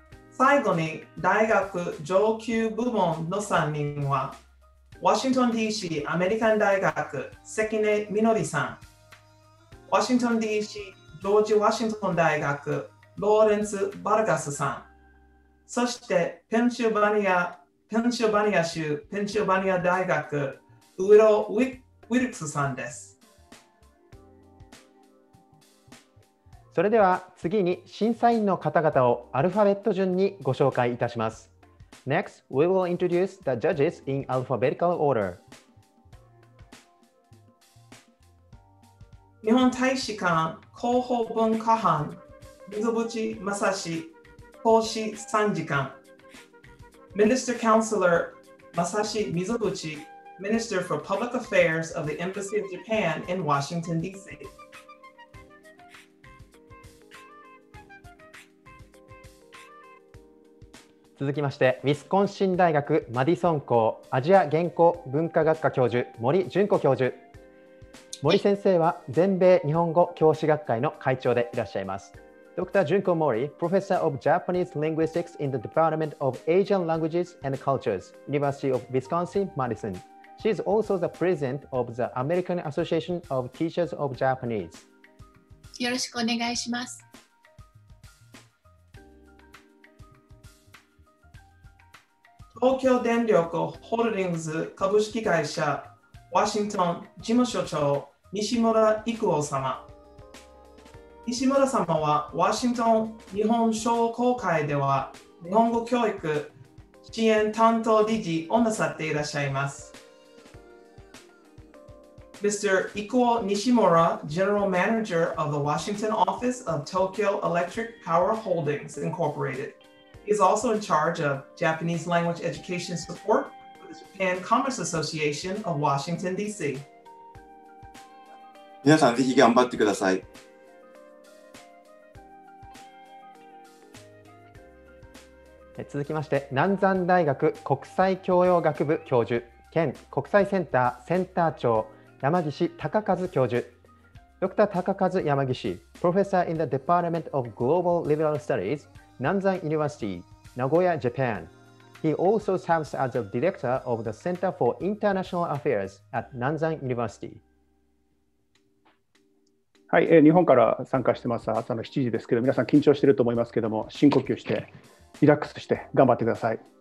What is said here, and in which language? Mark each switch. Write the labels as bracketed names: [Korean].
[Japanese] 最後に大学上級部門の3人は、ワシントン DC アメリカン大学関根みのりさん、ワシントン DC ジョージ・ワシントン大学ローレンス・バルガスさん、そしてペンシルバニア州ペンシルバニア大学ウィロウィルクスさんです。それでは次に審査員の方々をアルファベット順にご紹介いたします。 [English] Next, we will introduce the judges in alphabetical order. [Japanese] 日本大使館広報文化班水淵正史講師参事官、 [English] Minister Counselor 正史水淵 Minister for Public Affairs of the Embassy of Japan in Washington DC。 [Japanese] 続きましてウィスコンシン大学マディソン校アジア原稿文化学科教授森純子教授。森先生は全米日本語教師学会の会長でいらっしゃいます。 [English] Dr. Junko Mori, Professor of Japanese Linguistics in the Department of Asian Languages and Cultures, University of Wisconsin-Madison. She is also the President of the American Association of Teachers of Japanese. [Japanese] よろしくお願いします。東京電力ホールディングス株式会社ワシントン事務所長西村郁夫様。西村様はワシントン日本商工会では日本語教育支援担当理事をなさっていらっしゃいます。 [English] Mr. 郁夫西村 General Manager of the Washington Office of Tokyo Electric Power Holdings Incorporated is also in charge of Japanese Language Education SupportAnd Commerce Association of Washington, D.C. [Japanese] 皆さんぜひ頑張ってください。続きまして南山大学国際教養学部教授兼国際センターセンター長山岸孝和教授。 [English] Dr. 孝和山岸 Professor in the Department of Global Liberal Studies 南山 University 名古屋 JapanHe also serves as the director of the Center for International Affairs at Nanzan University. [Japanese] はい、日本から参加してます。朝の7時ですけど、皆さん緊張してると思いますけども、深呼吸してリラックスして頑張ってください。